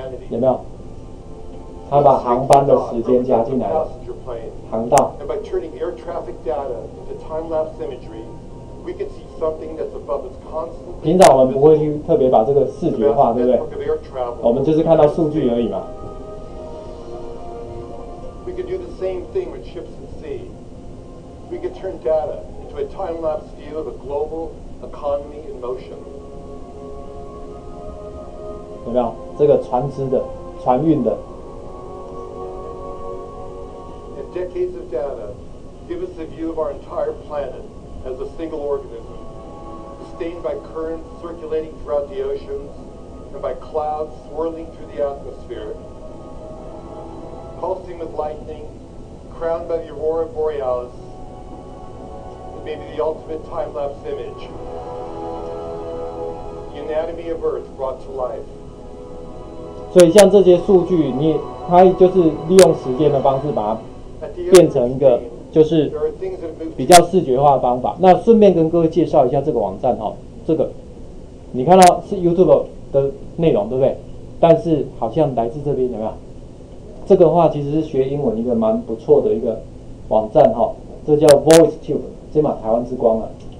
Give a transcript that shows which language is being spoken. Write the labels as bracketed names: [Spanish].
[Chinese] 有没有？他把航班的时间加进来了，航道。 [English] And by turning air traffic data into time-lapse imagery, we can see something that's above its constant. [Chinese] 平常我们不会去特别把这个视觉化，对不对？我们就是看到数据而已嘛。 [English] We can do the same thing with ships at sea. We can turn data into a time-lapse view of a global economy in motion. [Chinese] 有没有这个船只的、船运的？ [English] Decades of data give us a view of our entire planet as a single organism, sustained by currents circulating throughout the oceans and by clouds swirling through the atmosphere, pulsing with lightning, crowned by the aurora borealis. It may be the ultimate time-lapse image, the anatomy of Earth brought to life. [Chinese] 所以像这些数据，你它就是利用时间的方式把它变成一个就是比较视觉化的方法。那顺便跟各位介绍一下这个网站哈，这个你看到是 YouTube 的内容，对不对？但是好像来自这边，有没有？这个话其实是学英文一个蛮不错的一个网站哈，这叫 VoiceTube， 这嘛台湾之光了。